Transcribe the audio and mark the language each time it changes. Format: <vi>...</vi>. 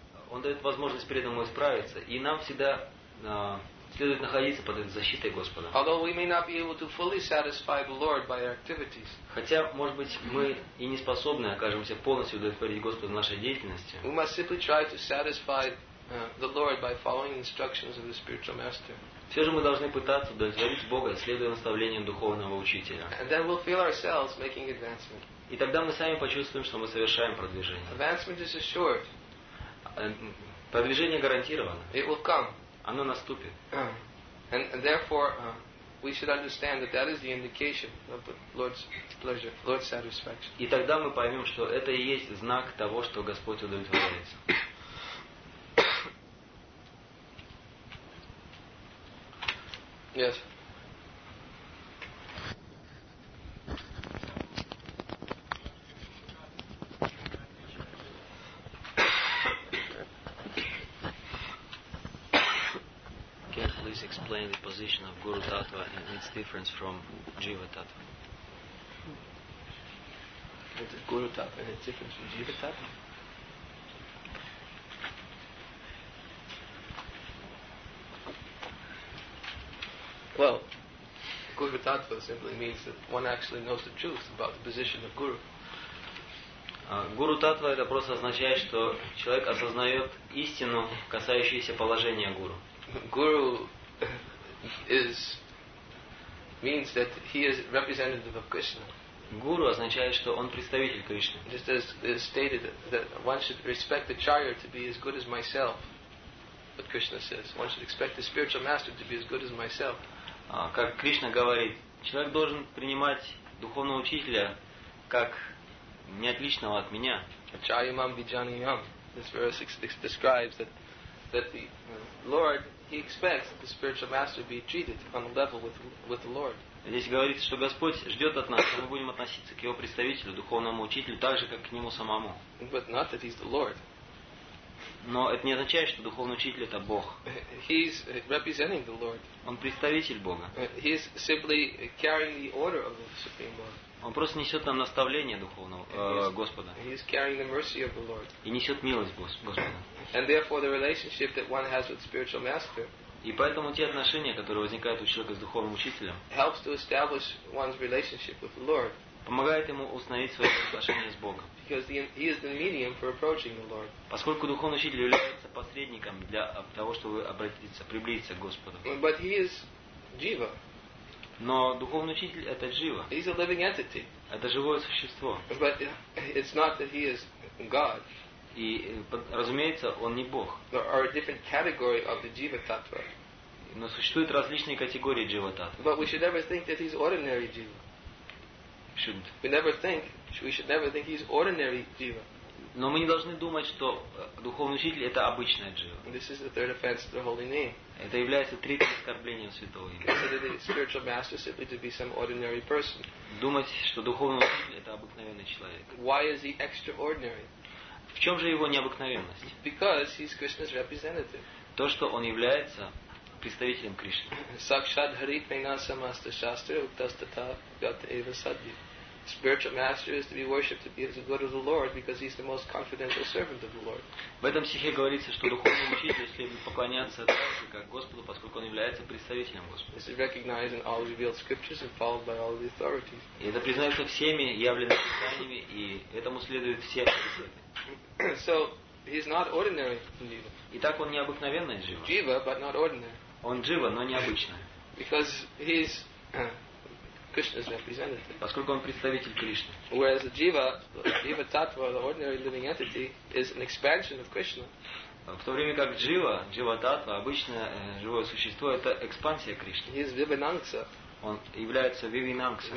<ru>Он дает возможность преданному исправиться, и нам всегда следует находиться под этой защитой Господа.</ru> <en>Although we may not be able to fully satisfy the Lord by our activities.</en> <ru>Хотя, может быть, мы и не способны окажемся полностью удовлетворить Господа в нашей деятельности.</ru> <en>We must simply try to satisfy the Lord by following instructions of the spiritual master.</en> <ru>Все же мы должны пытаться удовлетворить Бога, следуя наставлениям духовного учителя.</ru> <en>And then we'll feel ourselves making advancement.</en> <ru>И тогда мы сами почувствуем, что мы совершаем продвижение.</ru> <en>Advancement is assured.</en> <ru>Продвижение гарантировано.</ru> <en>It will come.</en> <ru>Оно наступит.</ru> <en>And therefore, we should understand that that is the indication of the Lord's pleasure, Lord's satisfaction.</en> <ru>И тогда мы поймем, что это и есть знак того, что Господь удовлетворяется.</ru> <en>Yes. Explain the position of Guru Tattva and its difference from Jiva Tattva. Guru Tattva and its difference from Jiva Tattva? Well, Guru Tattva simply means that one actually knows the truth about the position of Guru.</en> <ru>Guru Tattva это просто означает, что человек осознает истину, касающуюся положения Гуру.</ru> <en>Guru is means that he is representative of Krishna.</en> <ru>Guru означает, что он представитель Кришны.</ru> <en>Just as is stated that one should respect the charya to be as good as myself. What Krishna says, one should expect the spiritual master to be as good as myself.</en> <ru>Как Кришна говорит, человек должен принимать духовного учителя как не отличного от меня.</ru> <sa>Acharya mam vijaniyam.</sa> <en>This verse describes that the Lord. He expects that the spiritual master be treated on a level with the Lord.</en> <ru>Здесь говорится, что Господь ждет от нас, что мы будем относиться к Его представителю, духовному учителю, так же, как к Нему самому.</ru> <en>But not that He's the Lord.</en> <ru>Но это не означает, что духовный учитель это Бог.</ru> <en>He's representing the Lord.</en> <ru>Он представитель Бога.</ru> <en>He's simply carrying the order of the Supreme Lord.</en> <ru>Он просто несет нам наставление духовного Господа.</ru> <en>He's carrying the mercy of the Lord.</en> <ru>И несет милость Господа.</ru> <en>And therefore the relationship that one has with spiritual master.</en> <ru>И поэтому те отношения, которые возникают у человека с духовным учителем,</ru> <en>helps to establish one's relationship with the Lord.</en> <ru>Помогает ему установить свои отношения с Богом.</ru> <en>Because he is the medium for approaching the Lord.</en> <ru>Поскольку духовный учитель является посредником для того, чтобы обратиться, приблизиться к Господу.</ru> <en>But he is Jiva.</en> <ru>Но духовный учитель это Джива.</ru> <en>He's a living entity.</en> <ru>Это живое существо.</ru> <en>But it's not that he is God.</en> <ru>И, разумеется, он не Бог.</ru> <en>There are a different category of the Jiva Tattva.</en> <ru>Но существуют различные категории Джива Таттвы.</ru> <en>But we should never think that he's ordinary Jiva. Shouldn't. We should never think he's ordinary Jiva.</en> <ru>Но мы не должны думать, что духовный учитель это обычная джива.</ru> <en>This is the third offense of the holy name.</en> <ru>Это является третьим оскорблением святого имени.</ru> <en>Consider the spiritual master simply to be some ordinary person.</en> <ru>Думать, что духовный учитель это обыкновенный человек.</ru> <en>Why is he extraordinary?</en> <ru>В чем же его необыкновенность?</ru> <en>Because he's Krishna's representative.</en> <ru>То, что он является представителем Кришны.</ru> <sa>Sakshat Hari Prenasa Master Shastra Uktastata Gata Eva Sadhya.</sa> <en>Spiritual master is to be worshipped to be as good as the Lord because he's the most confidential servant of the Lord.</en> <ru>В этом стихе говорится, что духовному учителю следует поклоняться так же, как Господу, поскольку он является представителем Господа.</ru> <en>This is recognized in all revealed scriptures and followed by all the authorities.</en> <ru>И это признается всеми явленными писаниями, и этому следует все авторитеты.</ru> <en>So he's not ordinary jiva.</en> <ru>Итак, он необыкновенный джива.</ru> <en>Jiva, but not ordinary.</en> <ru>Он джива, но необычный.</ru> <en>Because he's Krishna's representative.</en> <ru>Поскольку он представитель Кришны.</ru> <en>Whereas the jiva tattva, the ordinary living entity, is an expansion of Krishna.</en> <ru>В то время как jiva tattva, обычное живое существо, это экспансия Кришны.</ru> <en>He is vivinamsa.</en> <ru>Он является vivinamsa.</ru>